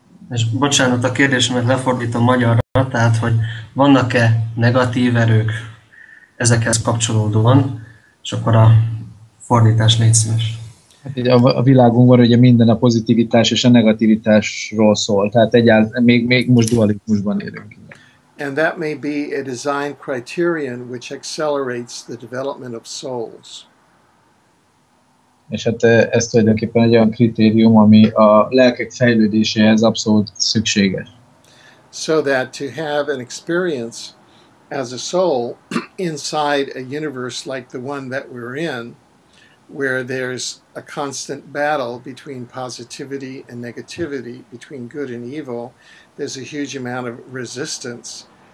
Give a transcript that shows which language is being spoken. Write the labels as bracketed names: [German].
[Hungarian] És bocsánat a kérdésemet lefordítom magyarra, tehát hogy vannak-e negatív erők ezekhez kapcsolódóan, és akkor a fordítás létszíves. A világunkban ugye minden a pozitivitás és a negativitásról szól, tehát még most dualizmusban élünk. [English] And that may be a design criterion which accelerates the development of souls. [Hungarian] És hát ez tulajdonképpen egy olyan kritérium, ami a lelkek fejlődéséhez abszolút szükséges. [English] So that to have an experience as a soul inside a universe like the one that we're in, where there's a constant battle between positivity and negativity, between good and evil, there's a huge amount of resistance.